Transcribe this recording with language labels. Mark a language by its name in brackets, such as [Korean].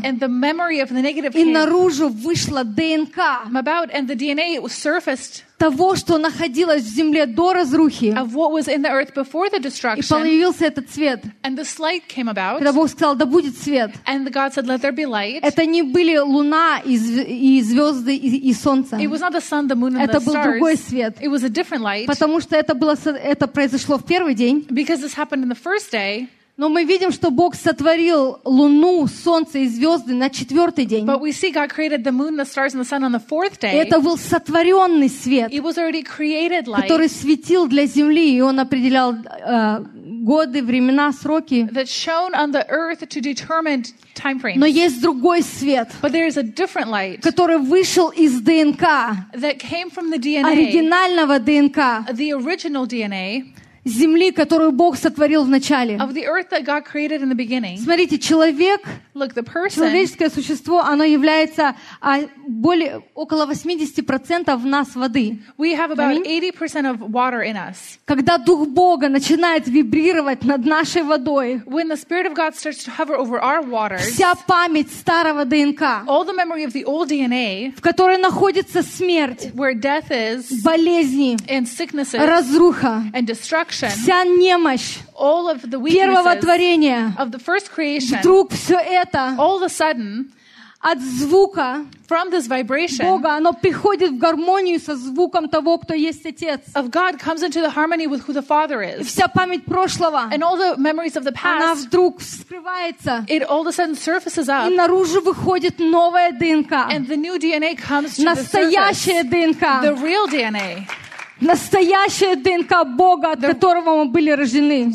[English] and the memory of the negative [Russian] и наружу вышла ДНК, [English] about, and the DNA surfaced, [Russian] того, что находилось в земле до разрухи, [English] of what was in the earth before the destruction, [Russian] и появился этот свет, [English] and this light came about, [Russian] когда Бог сказал, да будет свет, [English] and God said, let there be light, [Russian] это не были луна и звезды и солнце, [English] it was not the sun, the moon, and [Russian] это [English] the [Russian] был [English] stars. [Russian] Другой свет, [English] it was a different light, [Russian] потому что это произошло в первый день, [English] because this happened in the first day, [Russian] но мы видим, что Бог сотворил луну, солнце и звезды на четвертый день. [English] But we see God created the moon, the stars, and the sun on the fourth day. [Russian] Это был сотворенный свет, [English] it was already created light, [Russian] который светил для земли, и он определял годы, времена, сроки. [English] That shone on the earth to determine time frames. [Russian] Но есть другой свет, [English] but there is a different light, [Russian] который вышел из ДНК, [English] that came from the DNA, [Russian] оригинального ДНК, [English] the original DNA, [Russian] земли, которую Бог сотворил в начале. [English] Of the earth that God created in the beginning. [Russian] Смотрите, человек, [English] look, the person, [Russian] человеческое существо, оно является более около 80% в нас воды. [English] We have about 80% of water in us. [Russian] Когда Дух Бога начинает вибрировать над нашей водой, [English] when the Spirit of God starts to hover over our waters, [Russian] вся память старого ДНК, [English] all the memory of the old DNA, [Russian] в которой находится смерть, [English] where death is, [Russian] болезни, [English] and sicknesses, [Russian] разруха, [English] and destruction, [Russian] вся немощь, [English] all of the weaknesses, [Russian] первого творения, [English] of the first creation, [Russian] вдруг все это, [English] all of a sudden, [Russian] от звука, [English] from this vibration, [Russian] Бога, оно приходит в гармонию со звуком того, кто есть Отец. [English] Of God comes into the harmony with who the Father is. [Russian] И вся память прошлого, [English] and all the memories of the past, [Russian] она вдруг вскрывается, [English] it all of a sudden surfaces up, [Russian] и наружу выходит новая ДНК, [English] and the new DNA comes to [Russian] настоящая [English] the surface, [Russian] ДНК, [English] the real DNA. [Russian] Настоящая ДНК Бога, от которого мы были рождены.